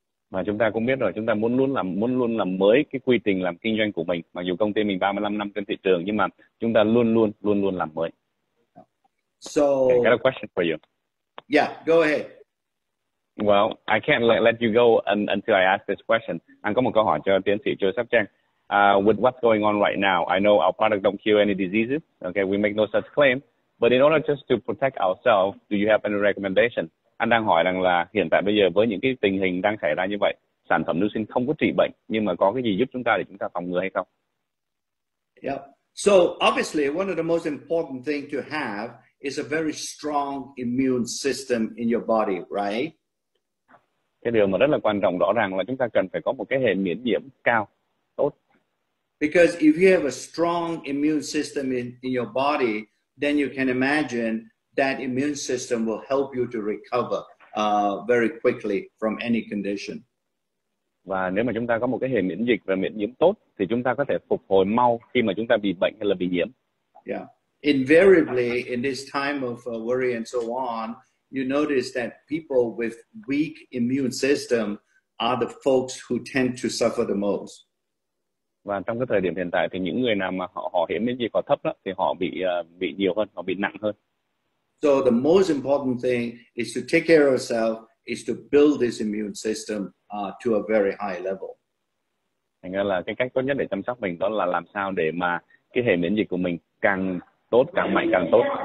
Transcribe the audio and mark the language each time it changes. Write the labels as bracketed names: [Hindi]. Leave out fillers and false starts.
[Vietnamese] Mà chúng ta cũng biết rồi, chúng ta muốn luôn làm mới cái quy trình làm kinh doanh của mình. Mặc dù công ty mình 35 năm trên thị trường, nhưng mà chúng ta luôn luôn làm mới. [English] So, okay, I got a question for you. Yeah, go ahead. Well, I can't let you go until I ask this question. [Vietnamese] Anh có một câu hỏi cho tiến sĩ Chia sắp trang. [English] With what's going on right now, I know our product don't cure any diseases. Okay, we make no such claim. But in order just to protect ourselves, do you have any recommendation? [Vietnamese] Anh đang hỏi rằng là hiện tại bây giờ với những cái tình hình đang xảy ra như vậy, sản phẩm nu sinh không có trị bệnh, nhưng mà có cái gì giúp chúng ta để chúng ta phòng ngừa hay không? [English] Yeah. So obviously, one of the most important thing to have is a very strong immune system in your body, right? [Vietnamese] Cái điều mà rất là quan trọng rõ ràng là chúng ta cần phải có một cái hệ miễn nhiễm cao, tốt. [English] Because if you have a strong immune system in your body, then you can imagine that immune system will help you to recover very quickly from any condition. [Vietnamese] Và nếu mà chúng ta có một cái hệ miễn dịch và miễn nhiễm tốt thì chúng ta có thể phục hồi mau khi mà chúng ta bị bệnh hay là bị nhiễm. [English] Yeah. Invariably in this time of worry and so on, you notice that people with weak immune system are the folks who tend to suffer the most. [Vietnamese] Và trong cái thời điểm hiện tại thì những người nào mà họ hệ miễn dịch thấp đó thì họ bị nhiều hơn, họ bị nặng hơn. [English] So the most important thing is to take care of yourself, is to build this immune system to a very high level. [Vietnamese] Thành ra là cái cách tốt nhất để chăm sóc mình đó là làm sao để mà cái hệ miễn dịch của mình càng tốt, càng mạnh càng tốt.